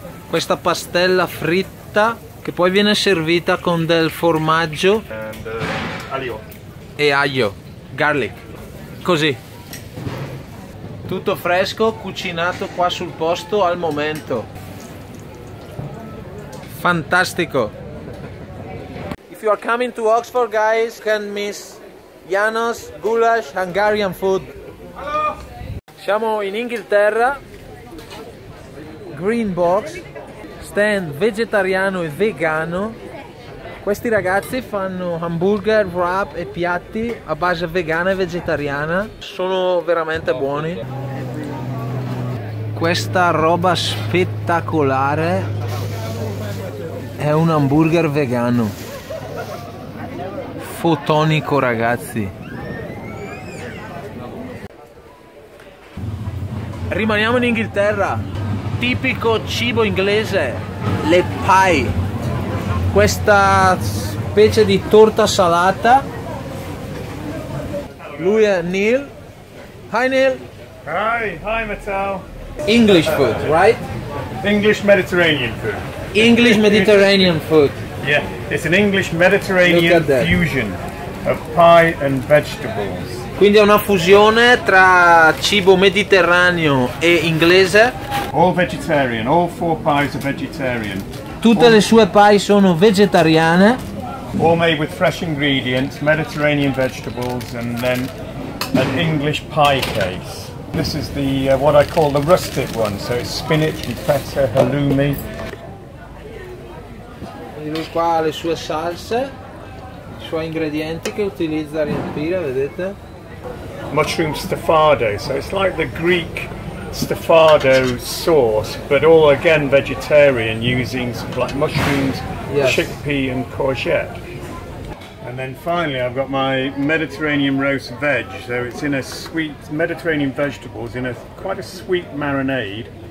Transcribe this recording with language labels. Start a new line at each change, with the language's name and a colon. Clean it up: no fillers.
Italian: Questa pastella fritta che poi viene servita con del formaggio
English: and, aglio.
Italian: E aglio, garlic, così. Tutto fresco, cucinato qua sul posto al momento. Fantastico.
English: If you are coming to Oxford guys, can't miss Janos goulash Hungarian food. Hello.
Italian: Siamo in Inghilterra, Green Box. Stand vegetariano e vegano. Questi ragazzi fanno hamburger, wrap e piatti a base vegana e vegetariana. Sono veramente buoni. Questa roba spettacolare è un hamburger vegano. Fotonico, ragazzi. Rimaniamo in Inghilterra. Tipico cibo inglese, le pie, questa specie di torta salata. Lui è Neil.
English: Hi Neil. Hi, hi Mattel. English food, right? English Mediterranean food. English Mediterranean food. Yeah, it's an English Mediterranean fusion of pie and vegetables.
Italian: Quindi è una fusione tra cibo mediterraneo e inglese.
English: All vegetarian, all four pies are vegetarian.
Italian: Tutte le sue pie sono vegetariane.
English: All made with fresh ingredients, Mediterranean vegetables and then an English pie case. This is the what I call the rustic one, so it's spinach, feta, halloumi.
Italian: Qua le sue salse. suoi ingredienti che utilizza a riempire, vedete?
English: Mushroom stufado, so it's like the Greek stufado sauce, but all again vegetarian, using some like mushrooms, yes, chickpea and courgette. And then finally I've got my Mediterranean roast veg, so it's in a sweet, Mediterranean vegetables in a quite a sweet marinade.